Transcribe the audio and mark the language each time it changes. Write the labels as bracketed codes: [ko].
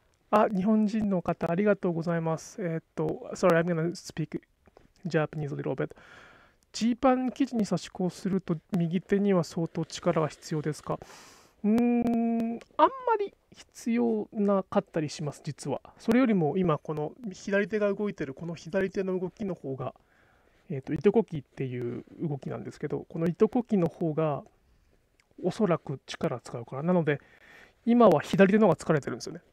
[ja] あ、日本人の方ありがとうございます。 [en] Sorry, I'm gonna speak Japanese a little bit. [ja] ジーパン生地に刺し子をすると右手には相当力が必要ですか？あんまり必要なかったりします、実は。それよりも今この左手が動いてるこの左手の動きの方が、糸こきっていう動きなんですけど、この糸こきの方がおそらく力使うから、なので今は左手の方が疲れてるんですよね。